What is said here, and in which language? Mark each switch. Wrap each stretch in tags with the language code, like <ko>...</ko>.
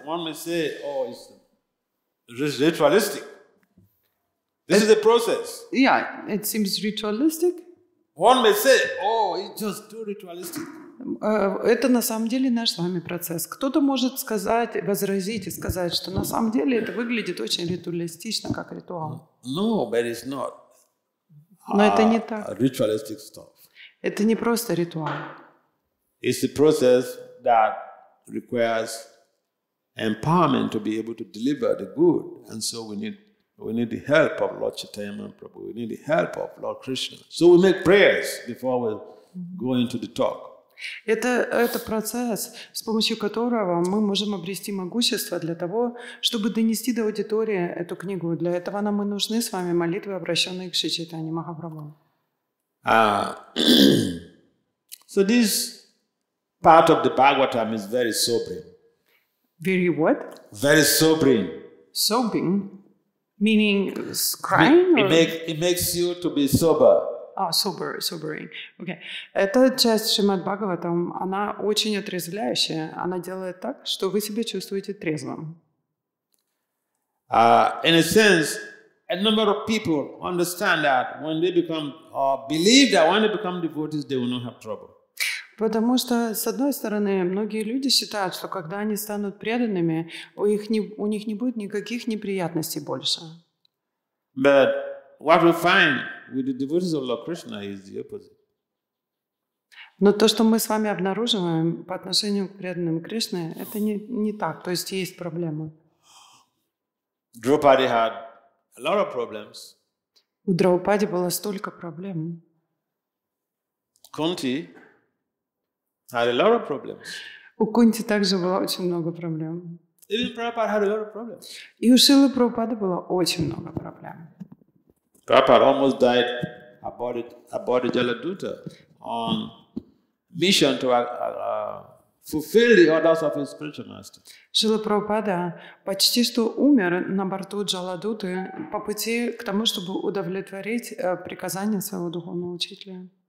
<en>One may say, oh, it's ritualistic. This is the process. Yeah, it seems ritualistic. One may say, oh, it's just too ritualistic.</en> <ru>Это на самом деле наш с вами процесс. Кто-то может сказать, возразить и сказать, что на самом деле это выглядит очень ритуалистично, как ритуал.</ru> <en>No, but it's not.</en> <ru>Но это не так.</ru> <en>Ritualistic stuff.</en> <ru>Это не просто ритуал.</ru> <en>It's a process that requires empowerment to be able to deliver the good, and so we need the help of Lord Chaitanya Prabhu. We need the help of Lord Krishna. So we make prayers before we go into the talk.</en> <ru>Это процесс, с помощью которого мы можем обрести могущество для того, чтобы донести до аудитории эту книгу. Для этого нам и нужны с вами молитвы, обращенные к Шри Чайтанье Махапрабху.</ru> <en>So this part of the Bhagavatam is very sobering. Very what? Very sobering. Sobering? Meaning crying? It makes you to be sober. Ah, sober, sobering. Okay.</en> <ru>Эта часть Шримад Бхагаватам, она очень отрезвляющая. Она делает так, что вы себя чувствуете трезвым.</ru> <en>In a sense, a number of people understand that when they become or believe that when they become devotees, they will not have trouble.</en> <ru>Потому что с одной стороны, многие люди считают, что когда они станут преданными, у них не будет никаких неприятностей больше.</ru> <en>But what we find with the devotees of Lord Krishna is the opposite.</en> <ru>Но то, что мы с вами обнаруживаем по отношению к преданным Кришне, это не так. То есть есть проблемы.</ru> <en>Draupadi had a lot of problems.</en> <ru>У Драупади было столько проблем.</ru> <en>Кунти had a lot of problems.</en> <ru>У Кунти также было очень много проблем.</ru> <en>Even Prabhupada had a lot of problems.</en> <ru>И у Шилы Прабхупады было очень много проблем.</ru> <en>Prabhupada almost died aboard Jaladuta on mission to fulfill the orders of his spiritual master.</en> <ru>Шрила Прабхупада почти что умер на борту Джаладуты по пути к тому, чтобы удовлетворить приказания своего духовного учителя.</ru>